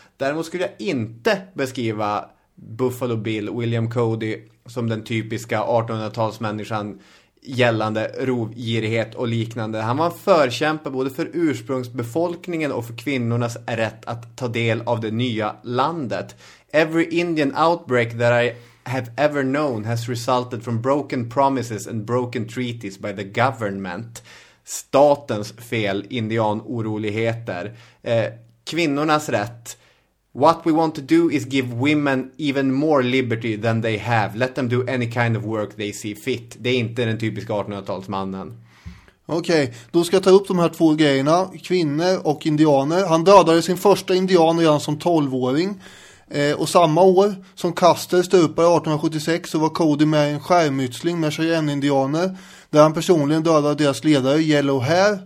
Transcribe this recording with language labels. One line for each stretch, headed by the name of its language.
Swedish: Däremot skulle jag inte beskriva Buffalo Bill, William Cody, som den typiska 1800-talsmänniskan gällande rovgirighet och liknande. Han var en förkämpe både för ursprungsbefolkningen och för kvinnornas rätt att ta del av det nya landet.
English: Every Indian outbreak that I have ever known has resulted from broken promises and broken treaties by the government.
Swedish: Statens fel, indianoroligheter. Kvinnornas rätt.
English: What we want to do is give women even more liberty than they have. Let them do any kind of work they see fit.
Swedish: Det är inte den typiska 1800-talsmannen. Okej, okay, då ska jag ta upp de här 2 grejerna. Kvinnor och indianer. Han dödade sin första indian redan som 12-åring. Och samma år som Custer stupade 1876 så var Cody med i en skärmytsling med Cheyenne-indianer där han personligen dödade deras ledare Yellow Hair.